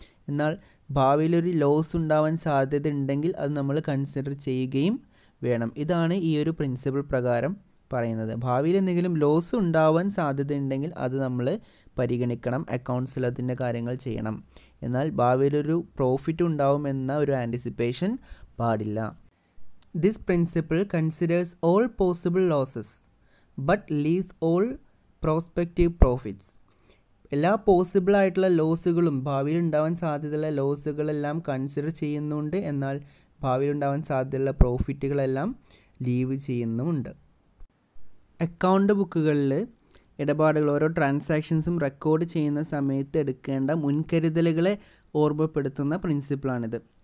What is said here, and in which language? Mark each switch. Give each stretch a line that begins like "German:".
Malayalam: എന്നാൽ ഭാവിയിലൊരു ലോസ് ഉണ്ടാവാൻ സാധ്യത ഉണ്ടെങ്കിൽ അത് നമ്മൾ കൺസിഡർ ചെയ്യുകയും വേണം. ഇതാണ് ഈ ഒരു പ്രിൻസിപ്പിൾ പ്രകാരം പറയുന്നത്. ഭാവിയിൽ എന്തെങ്കിലും ലോസ് ഉണ്ടാവാൻ സാധ്യത ഉണ്ടെങ്കിൽ അത് നമ്മൾ പരിഗണിക്കണം, അക്കൗണ്ട്സിൽ അതിൻ്റെ കാര്യങ്ങൾ ചെയ്യണം. എന്നാൽ ഭാവിയിലൊരു പ്രോഫിറ്റ് ഉണ്ടാവും എന്ന ഒരു ആൻറ്റിസിപ്പേഷൻ പാടില്ല.
English: This principle considers all possible losses but leaves all prospective profits.
Malayalam: എല്ലാ പോസിബിൾ ആയിട്ടുള്ള ലോസുകളും, ഭാവിയിൽ ഉണ്ടാവാൻ സാധ്യതയുള്ള ലോസുകളെല്ലാം കൺസിഡർ ചെയ്യുന്നുണ്ട്, എന്നാൽ ഭാവിയിലുണ്ടാവാൻ സാധ്യതയുള്ള പ്രോഫിറ്റുകളെല്ലാം ലീവ് ചെയ്യുന്നുമുണ്ട്. അക്കൗണ്ട് ബുക്കുകളിൽ ഇടപാടുകൾ ഓരോ ട്രാൻസാക്ഷൻസും റെക്കോർഡ് ചെയ്യുന്ന സമയത്ത് എടുക്കേണ്ട മുൻകരുതലുകളെ ഓർമ്മപ്പെടുത്തുന്ന പ്രിൻസിപ്പിളാണിത്.